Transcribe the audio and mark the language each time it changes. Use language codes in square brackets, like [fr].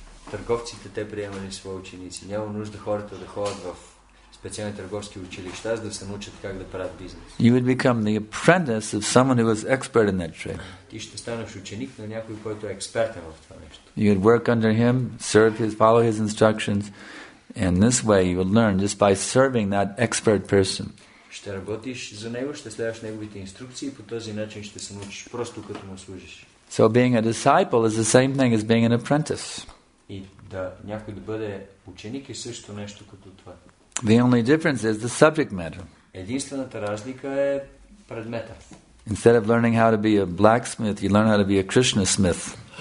[bg] Търговците те приемали свои ученици. Няма нужда хората да ходят в специални търговски училища, за да се научат как да правят бизнес. [en] You would become the apprentice of someone who is expert in that trade. [bg] Ти ще станеш ученик на някой, който е експертен в това нещо. [en] You would work under him, serve his, follow his instructions, and this way you would learn just by serving that expert person. [bg] Ще работиш за него, ще следваш неговите инструкции и по този начин ще се научиш просто като му служиш. [en] So being a disciple is the same thing as being an apprentice. [bg] И да някой да бъде ученик е също нещо като това. [en] The only difference is the subject matter. [bg] Единствената разлика е предмета. [en] Instead of learning how to be a blacksmith, you learn how to be a Krishna smith.